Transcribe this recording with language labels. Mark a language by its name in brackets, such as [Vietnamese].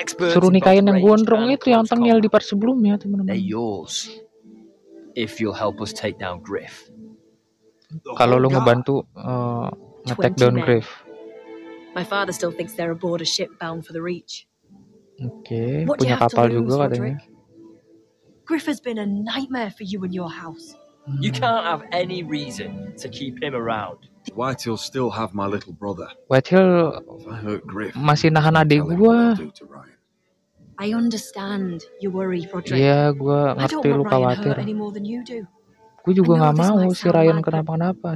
[Indonesian] Suruh nikahin yang gondrong itu yang tengil di part sebelumnya, teman-teman. [English] If you'll help us take down Griff. [Indonesian] kalau lu ngebantu nge-take down Griff. [English] My father still thinks they're aboard a ship bound for the Reach. [Indonesian] Okay, what punya kapal lose, juga katanya. [English] Griff has been a nightmare for you and your house. You can't have any reason to keep him around. Whitehill still have my little brother. [Indonesian] Whitehill masih nahan adik gua. [English] I understand your worry, Roderick. [Indonesian] Iya, gua ngerti lu khawatir. Gua juga enggak mau si Ryan kenapa-napa.